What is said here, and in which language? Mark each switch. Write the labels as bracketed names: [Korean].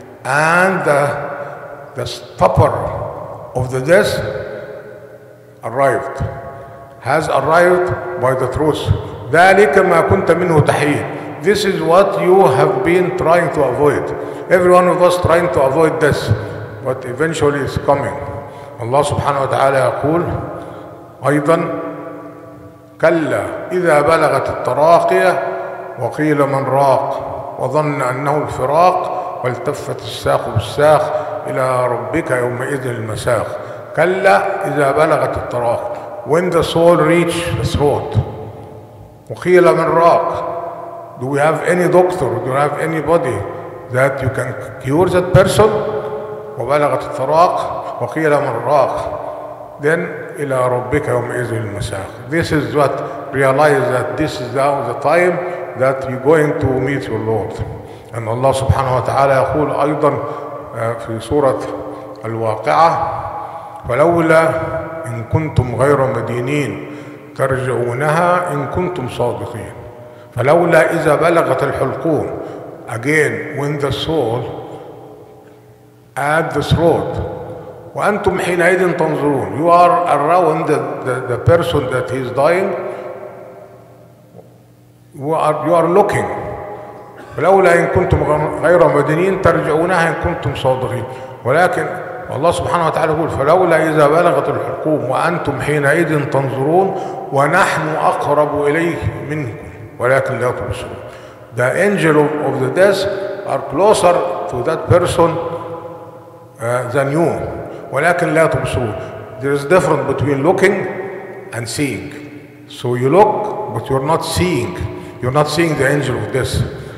[English] And the stopper of the death arrived, has arrived by the truth. [Arabic] ذَلِكَ مَا كُنْتَ مِنْهُ تَحِيِّرُ. [English] This is what you have been trying to avoid. Every one of us trying to avoid death, but eventually it's coming. [Arabic] Allah subhanahu wa ta'ala يقول أيضا كَلَّا إِذَا بَلَغَتِ التَّرَاقِيَ وَقِيلَ مَنْ رَاقٍ وظن انه الفراق والتفت الساق بالساق الى ربك يومئذ المساق. كلا اذا بلغت التراق. [English] When the soul reach the throat. [Arabic] وقيل من راق. [English] Do we have any doctor? Do we have anybody that you can cure that person? [Arabic] وبلغت التراق. وقيل من راق. [English] Then [Arabic] الى ربك يومئذ المساق. [English] This is what realize that this is now the time that you're going to meet your Lord. [Arabic] And Allah subhanahu wa ta'ala يقول أيضا في سورة الواقعة فلولا إن كنتم غير مدينين ترجعونها إن كنتم صادقين. فلولا إذا بلغت الحلقوم. [English] Again, when the soul at the throat. [Arabic] وأنتم حينئذ تنظرون. [English] You are around the person that is dying. You are looking. [Arabic] فلولا إن كنتم غير مدينين ترجعونها إن كنتم صادقين. ولكن الله سبحانه وتعالى يقول فلولا إذا بلغت الحلقوم وأنتم حينئذ تنظرون ونحن أقرب إليه منكم ولكن لا تبصرون. [English] The angel of the death are closer to that person than you. [Arabic] ولكن لا تبصرون. [English] There is difference between looking and seeing. So you look but you're not seeing. You're not seeing the angel of death.